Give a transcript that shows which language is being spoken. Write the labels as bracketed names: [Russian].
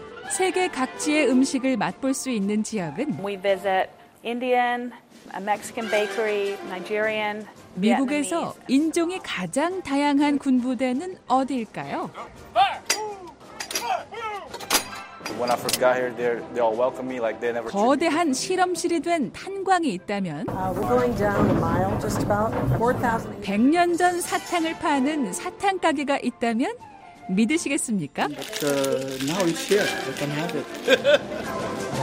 [Korean] 세계 각지의 음식을 맛볼 수 있는 지역은 [English] We visit Indian, a Mexican bakery, Nigerian. [Korean] 미국에서 인종이 가장 다양한 군부대는 어디일까요? [English] When I first got here, they all welcomed me like they never. [Korean] 거대한 실험실이 된 탄광이 있다면. [English] We're going down a mile, just about 4,000. [Korean] 100년 전 사탕을 파는 사탕 가게가 있다면 믿으시겠습니까? [English] But, now it's here. We can have it.